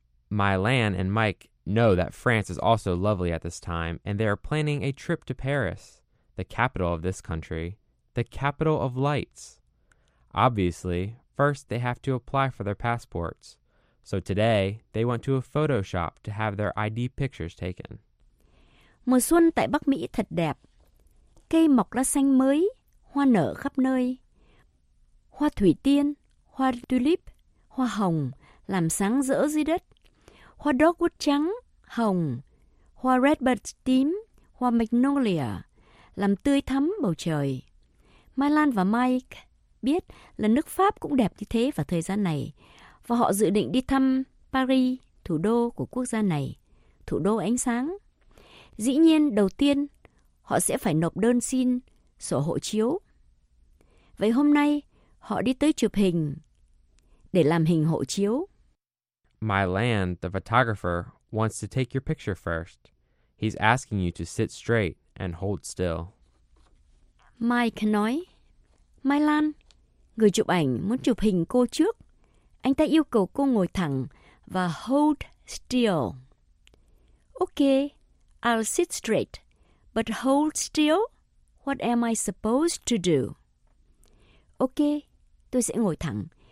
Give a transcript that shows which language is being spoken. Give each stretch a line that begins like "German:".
English: Mylan and Mike know that France is also lovely at this time, and they are planning a trip to Paris, the capital of this country, the capital of lights. Obviously, first they have to apply for their passports. So today, they went to a photo shop to have their ID pictures taken.
Vietnamese: Mùa xuân tại Bắc Mỹ thật đẹp. Cây mọc lá xanh mới, hoa nở khắp nơi. Hoa thủy tiên, hoa tulip, hoa hồng làm sáng rỡ dưới đất. Hoa dogwood trắng, hồng, hoa redbud tím, hoa magnolia làm tươi thắm bầu trời. Mylan và Mike biết là nước Pháp cũng đẹp như thế vào thời gian này. Và họ dự định đi thăm Paris, thủ đô của quốc gia này, thủ đô ánh sáng. Dĩ nhiên, đầu tiên, họ sẽ phải nộp đơn xin sổ hộ chiếu. Vậy hôm nay, họ đi tới chụp hình để làm hình hộ chiếu.
English: Mylan, the photographer, wants to take your picture first. He's asking you to sit straight and hold still.
Vietnamese: Mike nói, Mylan, người chụp ảnh muốn chụp hình cô trước. Anh ta yêu cầu cô ngồi thẳng và hold still.
English: Okay, I'll sit straight. But hold still? What am I supposed to do? Okay,
Vietnamese: tôi sẽ ngồi thẳng.